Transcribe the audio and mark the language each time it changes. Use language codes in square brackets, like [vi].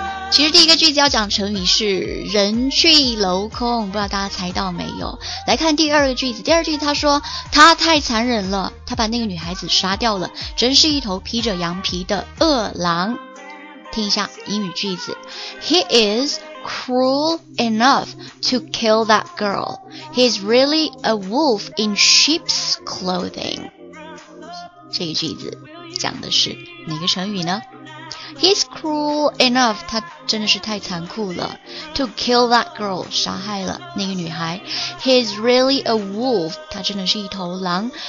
[zh] 其实第一个句子要讲成语是人去楼空，不知道大家猜到没有。来看第二个句子，第二句他说他太残忍了，他把那个女孩子杀掉了，真是一头披着羊皮的恶狼。听一下英语句子， [en] He is cruel enough to kill that girl. He's really a wolf in sheep's clothing. [zh] 这个句子讲的是哪个成语呢？ [en] He's cruel enough, [zh] 他真的是太残酷了。 [en] To kill that girl, [zh] 杀害了那个女孩。 [en] He's really a wolf, [zh] 他真的是一头狼。